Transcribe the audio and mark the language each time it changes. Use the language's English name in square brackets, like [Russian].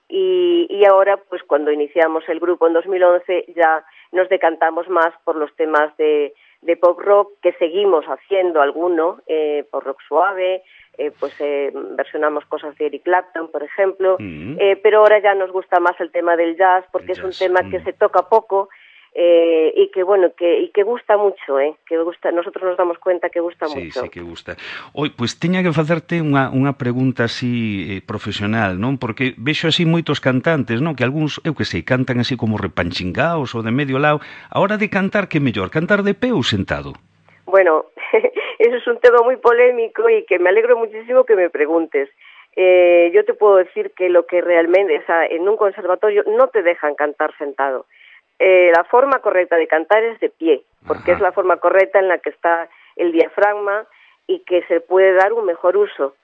[Spanish] Y ahora, pues cuando iniciamos el grupo en 2011, ya nos decantamos más por los temas de pop rock, que seguimos haciendo alguno, por rock suave. Versionamos cosas de Eric Clapton, por ejemplo, pero ahora ya nos gusta más el tema del jazz, porque el es jazz, un tema que se toca poco y que, bueno, que gusta mucho, que gusta, nosotros nos damos cuenta que gusta mucho. Sí, sí que gusta. [Galician] Oi, pues teña que facerte unha pregunta así profesional, non? Porque vexo así moitos cantantes, non? Que algúns, eu que sei, cantan así como repanchingaos ou de medio lado. A hora de cantar, que mellor? ¿Cantar de pé ou sentado? [Spanish] Bueno, eso es un tema muy polémico y que me alegro muchísimo que me preguntes. Yo te puedo decir que lo que realmente, o sea, en un conservatorio no te dejan cantar sentado. La forma correcta de cantar es de pie, porque es la forma correcta en la que está el diafragma y que se puede dar un mejor uso.